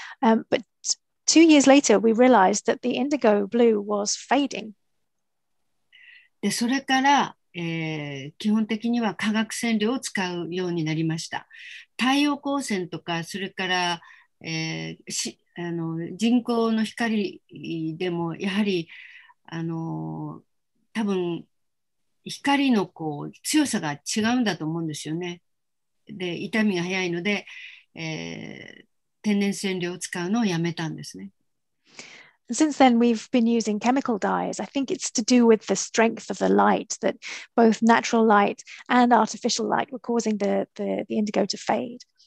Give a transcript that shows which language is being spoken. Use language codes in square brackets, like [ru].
[en] But 2 years later, we realized that the indigo blue was fading. [ja] で、それから、基本的には化学染料を使うようになりました。太陽光線とか、それから、人工の光でもやはり多分光のこう強さが違うんだと思うんですよね。で、痛みが早いので、天然染料を使うのをやめたんですね。 [en] Since then, we've been using chemical dyes. I think it's to do with the strength of the light, that both natural light and artificial light were causing the indigo to fade.